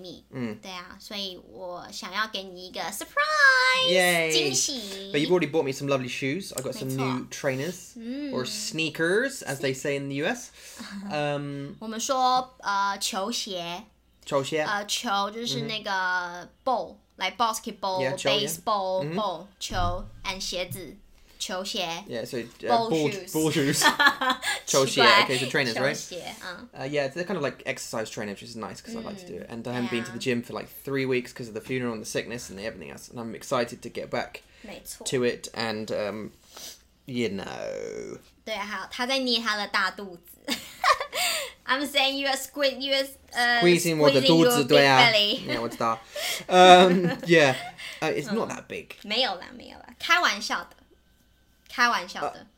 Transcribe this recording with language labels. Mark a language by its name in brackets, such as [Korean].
[Chinese] 然后我们就可以吃生日大餐。你跟我会去吗？哦，对，餐厅吗？就是你的秘密。对，餐厅是我的秘密。嗯，对啊，所以我想要给你一个 surprise， 惊喜。But [English] you've already bought me some lovely shoes. I got some new trainers or sneakers, as they say in the US. [Chinese] 我们说球鞋。球就是那个 ball, [English] like basketball, yeah, baseball, ball, 球, and 鞋子, 球鞋. Yeah, so ball shoes. 球鞋, okay, so trainers, right? [Chinese] 球鞋, [English] yeah, they're kind of like exercise trainers, which is nice because I like to do it. And I haven't been to the gym for like 3 weeks because of the funeral and the sickness and the everything else. And I'm excited to get back to it, and you know. [Chinese] 对，好，他在捏他的大肚子。 [English] I'm saying you are squeezing your big belly. [Chinese] 对啊，我知道。 [English] Yeah, it's not that big. [Chinese] 没有啦，没有啦，开玩笑的，开玩笑的。